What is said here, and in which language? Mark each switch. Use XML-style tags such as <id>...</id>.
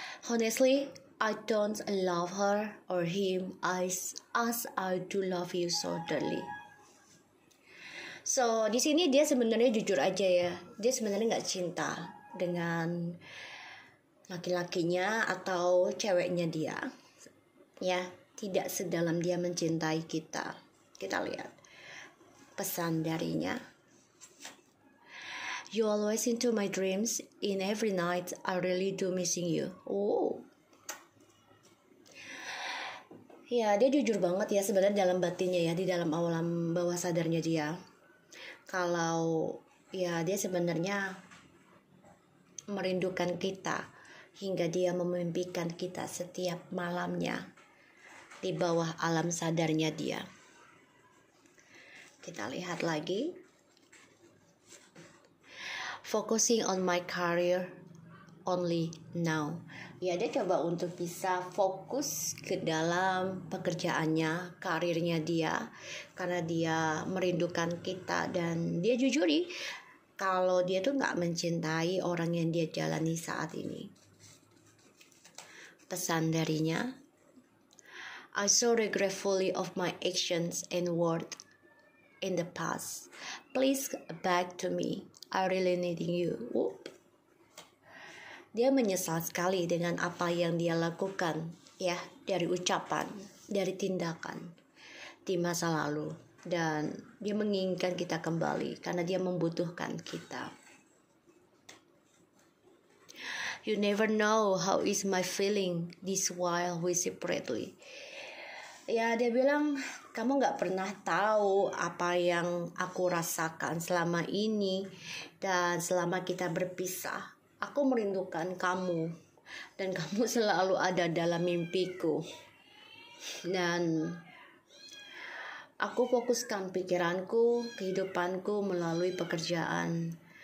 <en>Honestly, I don't love her or him as I do love you so dearly.</en> <id>So di sini dia sebenarnya jujur aja ya, dia sebenarnya nggak cinta dengan laki-lakinya atau ceweknya dia, ya tidak sedalam dia mencintai kita. Kita lihat pesan darinya.</id> <en>You always into my dreams, in every night I really do missing you.</en> <id>Oh, ya dia jujur banget ya sebenarnya dalam batinnya ya, di dalam alam bawah sadarnya dia. Kalau ya dia sebenarnya merindukan kita hingga dia memimpikan kita setiap malamnya di bawah alam sadarnya dia. Kita lihat lagi.</id> <en>Focusing on my career only now.</en> <id>Ya dia coba untuk bisa fokus ke dalam pekerjaannya, karirnya dia, karena dia merindukan kita dan dia jujuri kalau dia tuh gak mencintai orang yang dia jalani saat ini. Pesan darinya,</id> <en>I so regretfully of my actions and words in the past. Please back to me, I really needing you. Whoop.</en> <id>Dia menyesal sekali dengan apa yang dia lakukan, ya, dari ucapan, dari tindakan di masa lalu. Dan dia menginginkan kita kembali karena dia membutuhkan kita.</id> <en>You never know how is my feeling this while we separately.</en> <id>Ya, dia bilang, kamu gak pernah tahu apa yang aku rasakan selama ini dan selama kita berpisah. Aku merindukan kamu dan kamu selalu ada dalam mimpiku. Dan aku fokuskan pikiranku, kehidupanku melalui pekerjaan.</id>